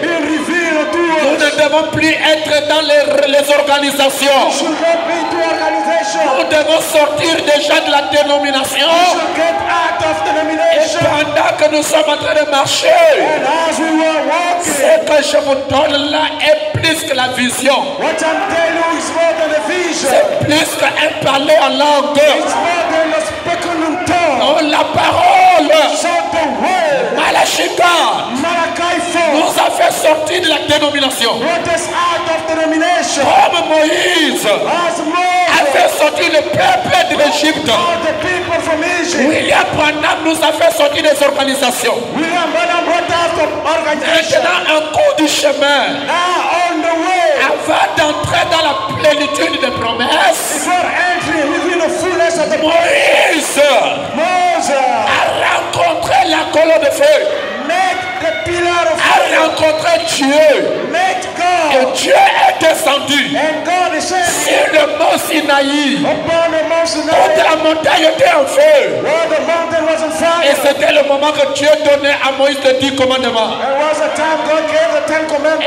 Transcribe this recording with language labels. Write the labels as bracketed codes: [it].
[fr] Nous ne devons plus être dans les organisations. Nous devons sortir déjà de la dénomination et prendre nous sommes en train de marcher, [en] as we were walking, [fr] ce que je vous donne là est plus que la vision. [en] What I'm telling you is more than a vision. [fr] C'est plus qu'un parler en langue. [en] It's more than a speculum tongue. [fr] Non, la parole. [en] The word. [fr] Malachika. [en] Malachi 4. [fr] Nous a fait sortir de la dénomination. [en] Brought us out of the denomination. [fr] Comme Moïse. [en] As Moses. [fr] A fait sortir le peuple de l'Égypte. [en] The people from Egypt. [fr] William Branham nous a fait sortir des organisations. [en] William Branham brought us from organization. [fr] Maintenant, en cours du chemin. [en] Now on the way. [fr] Avant d'entrer dans la plénitude des promesses. [en] Before entering within the fullness of the promise. Moses. [fr] A rencontré la colonne de feu. [en] Met the pillar of fire. [fr] A rencontré Dieu. [en] Met God. [fr] Et Dieu est descendu. [en] And God is [fr] sur le mont Sinaï. [en] Upon the mont Sinaï. [fr] Où la montagne était en feu. [en] Where the mountain was on fire. [fr] Et c'était le moment que Dieu donnait à Moïse les 10 commandements. [en] There was a time God gave the 10 commandments.